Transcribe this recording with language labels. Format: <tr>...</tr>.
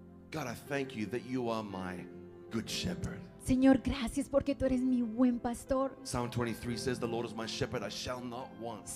<en>God, I thank you that you are my good shepherd.</en> <es>Señor, gracias porque tú eres mi buen pastor.</es> <en>Psalm 23 says, "The Lord is my shepherd; I shall not want."</en>